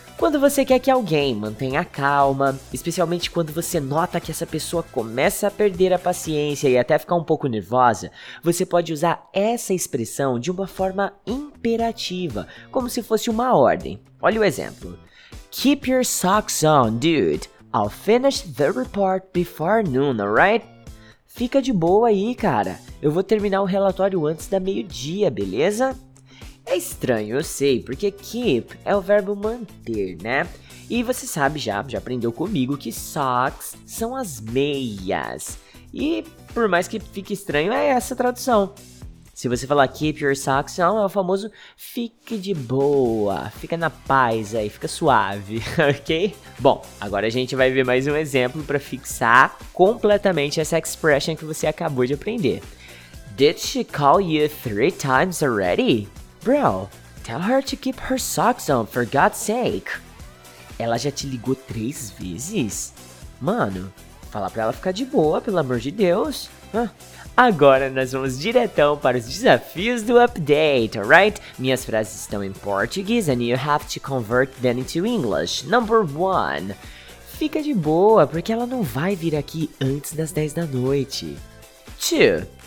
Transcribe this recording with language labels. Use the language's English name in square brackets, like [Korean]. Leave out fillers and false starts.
[Portuguese] Quando você quer que alguém mantenha a calma, especialmente quando você nota que essa pessoa começa a perder a paciência e até ficar um pouco nervosa, você pode usar essa expressão de uma forma imperativa, como se fosse uma ordem. Olha o exemplo. [English] Keep your socks on, dude. I'll finish the report before noon, alright? [Portuguese] Fica de boa aí, cara. Eu vou terminar o relatório antes da meio-dia, beleza? É estranho, eu sei, porque keep é o verbo manter, né? E você sabe já aprendeu comigo que socks são as meias. E por mais que fique estranho, é essa a tradução. Se você falar [English] keep your socks on, [Portuguese] é o famoso fique de boa, fica na paz aí, fica suave, ok? Bom, agora a gente vai ver mais um exemplo para fixar completamente essa expression que você acabou de aprender. [English] Did she call you 3 times already? Bro, tell her to keep her socks on, for God's sake. [Portuguese] Ela já te ligou 3 vezes? Mano, fala pra ela ficar de boa, pelo amor de Deus. Agora nós vamos diretão para os desafios do update, alright? Minhas frases estão em português [English] and you have to convert them into English. [Portuguese] Number 1. Fica de boa, porque ela não vai vir aqui antes das 10 da noite. 2.